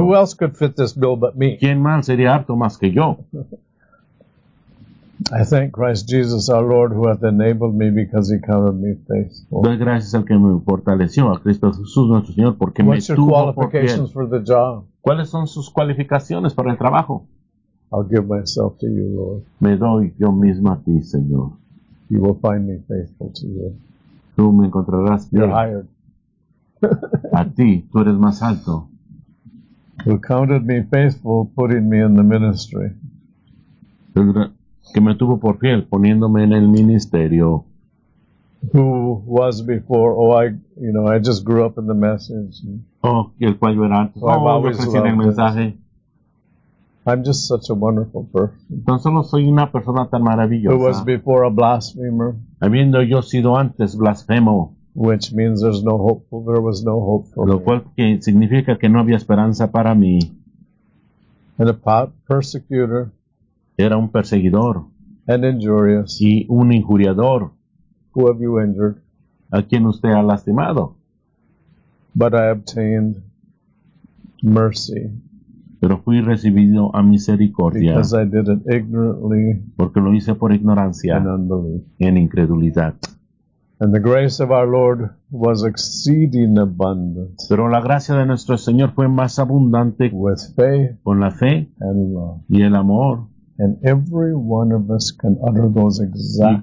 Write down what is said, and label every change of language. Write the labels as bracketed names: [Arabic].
[English] On, who else could fit this bill but me? [Spanish] ¿Quién más sería apto más que yo? [English] I thank Christ Jesus our Lord who hath enabled me because he counted me faithful. [Spanish] Doy gracias al que me fortaleció, a Cristo Jesús nuestro Señor, porque [English] What's [Spanish] me tuvo por fiel. [English] For the job? [Spanish] ¿Cuáles son sus cualificaciones para el trabajo? [English] I'll give myself to you, Lord. [Spanish] Me doy yo mismo a ti, Señor. [English] You will find me faithful to you. [Spanish] Tú me encontrarás fiel. [English] You're hired. [Spanish] A ti, tú eres más alto. [English] Who counted me faithful, putting me in the ministry. [Spanish] Que me tuvo por fiel poniéndome en el ministerio. [English] Who was before? Oh, I, you know, I just grew up in the message. [Spanish] Oh, el cual yo era antes. Oh, [English] I've always loved [Spanish] el mensaje. [English] This. I'm just such a wonderful person. [Spanish] Tan solo soy una persona tan maravillosa. [English] Who was before a blasphemer? [Spanish] Habiendo yo sido antes blasfemo. [English] Which means there's no hope. For, there was no hope for [Spanish] Lo cual [English] me. [Spanish] Que significa que no había esperanza para mí. [English] And a persecutor. [Spanish] Era un perseguidor. [English] And injurious. [Spanish] Y un injuriador. [English] Who have you injured? [Spanish] ¿A quien usted ha lastimado? [English] But I obtained mercy. [Spanish] Pero fui recibido a misericordia. [English] Because I did it ignorantly. [Spanish] Porque lo hice por ignorancia. [English] And unbelief. [Spanish] En incredulidad. [English] And the grace of our Lord was exceeding abundant. [Spanish] Pero la gracia de nuestro Señor fue más abundante. [English] With faith. [Spanish] Con la fe. [English] And love. [Spanish] Y el amor. [English] And every one of us can utter those exact